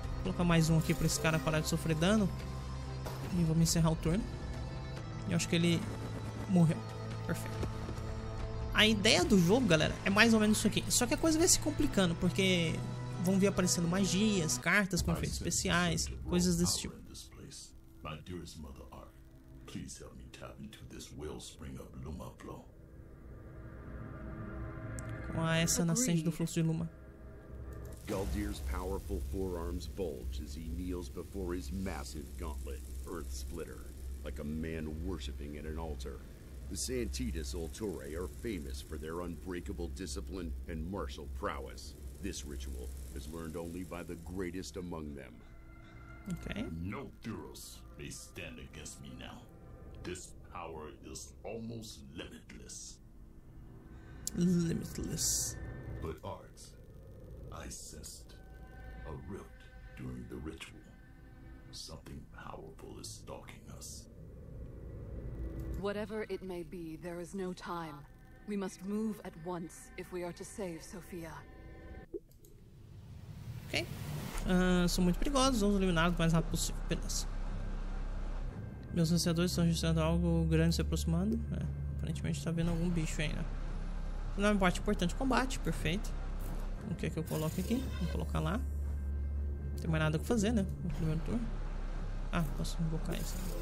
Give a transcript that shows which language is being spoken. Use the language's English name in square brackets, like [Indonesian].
[Portuguese] Vou colocar mais um aqui pra esse cara parar de sofrer dano. E vamos encerrar o turno. Eu acho que ele morreu. Perfeito. A ideia do jogo, galera, é mais ou menos isso aqui. Só que a coisa vai se complicando, porque vão vir aparecendo magias, cartas com efeitos especiais, coisas desse tipo. [English] My dearest mother Ark, please help me tap into this wellspring of Luma Flow. [Portuguese] Com a essa nascente do fluxo de Luma. [English] Galdir's powerful forearms bulge as he kneels before his massive gauntlet, Earth Splitter. Like a man worshiping at an altar. The Santitas Ulturae are famous for their unbreakable discipline and martial prowess. This ritual is learned only by the greatest among them. Okay. No Duros may stand against me now. This power is almost limitless. Limitless. But Arx, I sensed a rift during the ritual. Something powerful is stalking us. Whatever it may be, there is no time. We must move at once if we are to save Sophia. [Portuguese] Ok. São muito perigosos. Vamos eliminá-los o mais rápido possível. Beleza. Meus ansiadores estão registrando algo grande se aproximando. É, aparentemente está vendo algum bicho aí, né? Não é parte importante. Combate. Perfeito. O que é que eu coloco aqui? Vou colocar lá. Não tem mais nada que fazer, né? No primeiro turno. Ah, posso invocar isso.